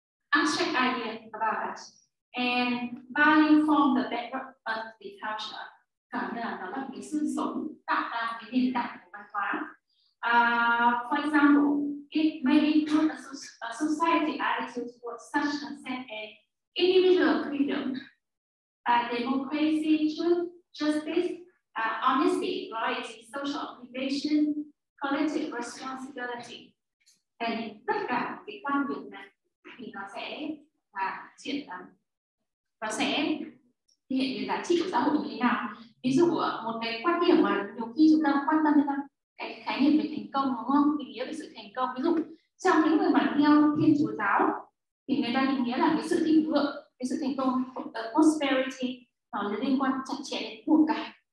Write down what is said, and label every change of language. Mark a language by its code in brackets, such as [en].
[en] Abstract idea about that. And value form the bedrock of the culture. [vi] Cảm nhận là nó là cái sự sống tạo ra cái nền tảng của văn hóa. [en] For example, it may include a society attitude towards such consent and individual freedom, democracy, truth, justice, honesty, loyalty, social obligation, collective responsibility. [vi] And tất cả cái quan điểm này thì nó sẽ là chuyện là nó sẽ thể hiện cái giá trị của xã hội như thế nào. Ví dụ một cái quan điểm mà nhiều khi chúng ta quan tâm đến cái khái niệm về thành công đúng không? Định nghĩa về sự thành công. Ví dụ trong những người mà theo Thiên Chúa giáo thì người ta định nghĩa là cái sự thịnh vượng, cái sự thành công, prosperity nó liên quan chặt chẽ đến của cải.